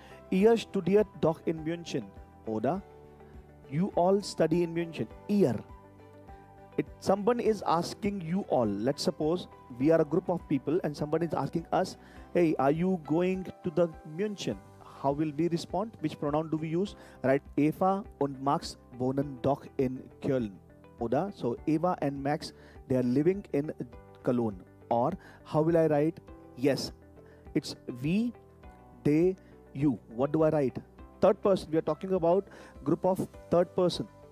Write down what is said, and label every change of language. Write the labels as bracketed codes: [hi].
[de] Ihr studiert doch in München, oder? [en] You all study in München. [de] Ihr. [en] If someone is asking you all, let's suppose we are a group of people and someone is asking us, hey, are you going to the München? How will we respond? Which pronoun do we use? [de] Right, Eva und Max wohnen doch in Köln, oder? [en] So Eva and Max, they are living in Cologne. Or how will I write? Yes, it's we, they, you. What do I write? Third person. We are talking about group of third person.